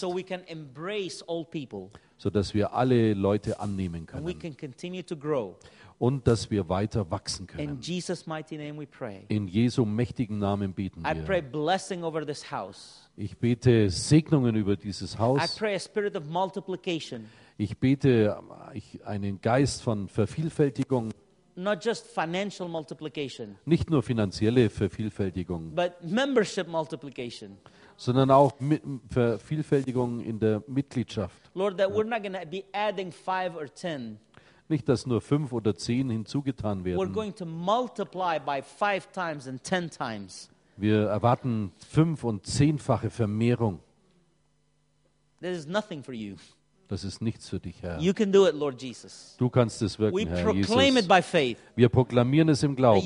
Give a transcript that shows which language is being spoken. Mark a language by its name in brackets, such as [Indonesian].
[English] So we can embrace all people. [German] So dass wir alle Leute annehmen können. [English] We can continue to grow. [German] Und dass wir weiter wachsen können. [English] In Jesus' mighty name we pray. [German] In Jesu mächtigen Namen beten wir. [English] I pray blessing over this house. [German] Ich bete Segnungen über dieses Haus. [English] I pray a spirit of multiplication. [German] Ich bete einen Geist von Vervielfältigung. [English] Not just financial multiplication. [German] Nicht nur finanzielle Vervielfältigung. [English] But membership multiplication. [German] Sondern auch mit Vervielfältigung in der Mitgliedschaft. [English] Lord, that we're not gonna be adding 5 or 10. [German] Nicht, dass nur 5 oder 10 hinzugetan werden. [English] We're going to multiply by 5 times and 10 times. [German] Wir erwarten 5- und 10-fache Vermehrung. [English] This is nothing for you. [German] Das ist nichts für dich, Herr. [English] You can do it, Lord Jesus. [German] Du kannst es wirken, [English] we [German] Herr [English] proclaim Jesus. It by faith. [German] Wir proklamieren es im Glauben.